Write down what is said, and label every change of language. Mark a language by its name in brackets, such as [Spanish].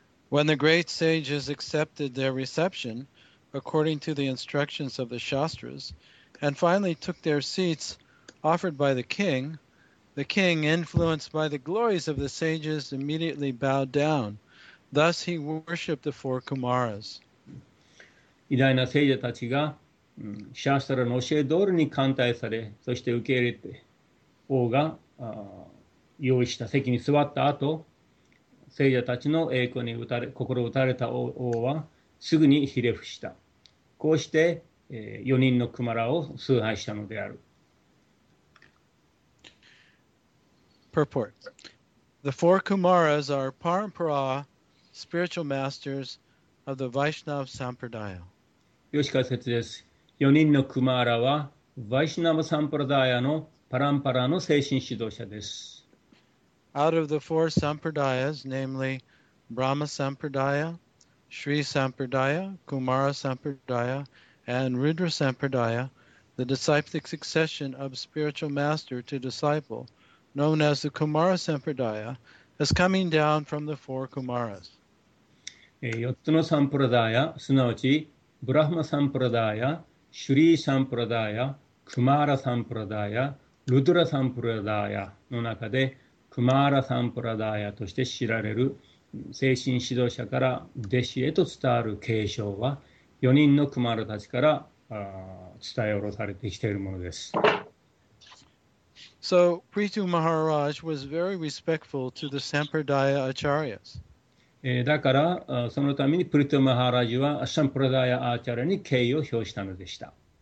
[English] When the great sages accepted their reception, according to the instructions of the Shastras, and finally took their seats offered by the king, influenced by the glories of the sages, immediately bowed down. Thus he worshipped the four Kumaras. [Japanese] 偉大な聖者たちが、シャーストラの教え通りに歓待され、そして受け入れて、王が用意した席に座った後、聖者たちの栄光に打たれ心を打たれた 王はすぐにひれ伏した。こうして、4人のクマラを崇拝したのである。 [English] Purport. The four Kumaras are Parampara, spiritual masters of the Vaishnava Sampradaya. [Japanese] よし解説です。 4人のクマーラは、ヴァイシナヴァ・サンプラダーヤのパランパラの精神指導者です。 [English] Out of the four Sampradayas, namely Brahma Sampradaya, Sri Sampradaya, Kumara Sampradaya, and Rudra Sampradaya, the disciplic succession of spiritual master to disciple, known as the Kumara Sampradaya, is coming down from the four Kumaras. [Japanese] 4つのサンプラダーヤ、すなわち、ブラハマサンプラダーヤ、シュリーサンプラダーヤ、クマーラサンプラダーヤ、ルドラサンプラダーヤの中でクマーラサンプラダーヤとして知られる精神指導者から弟子へと伝わる継承は4人のクマーラたちから伝え下ろされてきているものです。 [English] So, Prithu Maharaj was very respectful to the Sampradaya Acharyas. [Japanese] だからそのためにプリトゥ・マハラジはサンプラダーヤ・アーチャラに敬意を表したのでした。